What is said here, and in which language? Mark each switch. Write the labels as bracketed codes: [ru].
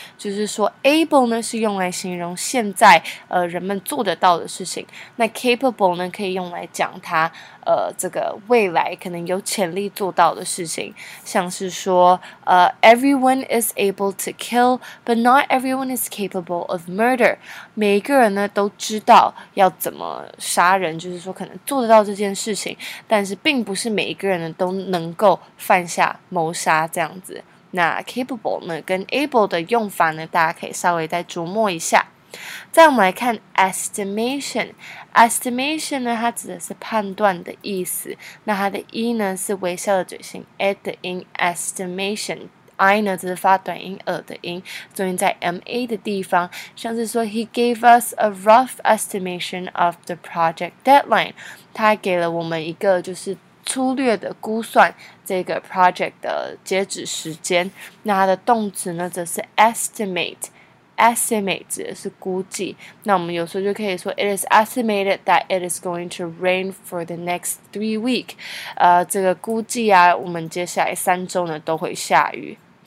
[zh] 就是说 able 呢是用来形容现在人们做得到的事情，那 capable 呢可以用来讲它这个未来可能有潜力做到的事情。像是说 [en] everyone is able to kill but not everyone is capable of murder. [zh] 每一个人呢都知道要怎么杀人，就是说可能做得到这件事情，但是并不是每一个人都能够犯下谋杀这样子。那 capable 呢跟 able 的用法呢大家可以稍微再琢磨一下。再我们来看 estimation。estimation 呢它指的是判断的意思，那它的 e 呢是微笑的嘴型 e 的音 estimationI 呢只是发短音 e 的音，重音在 ma 的地方。像是说 [en] He gave us a rough estimation of the project deadline. [zh] 他给了我们一个就是粗略的估算这个 project 的截止时间。那它的动词呢则是 estimate。Estimate 指的是估计。那我们有时候就可以说 [en] It is estimated that it is going to rain for the next 3 weeks. [zh] 这个估计啊我们接下来三周呢都会下雨。